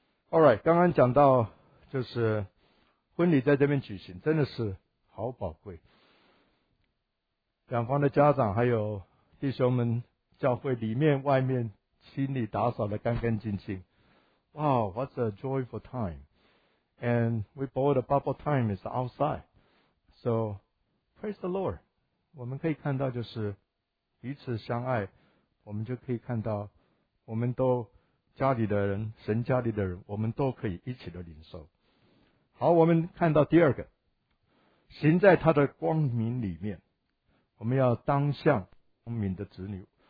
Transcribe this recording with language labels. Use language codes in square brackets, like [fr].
[zh] Alright, 刚刚讲到就是婚礼在这边举行真的是好宝贵，两方的家长还有弟兄们，教会里面外面清理打扫得干干净净。 [en] Wow, what a joyful time! And we bought a bubble time is outside. So praise the Lord. [zh] 我们可以看到就是彼此相爱，我们就可以看到我们都家里的人，神家里的人，我们都可以一起的领受。好，我们看到第二个。行在他的光明里面，我们要当向光明的子女。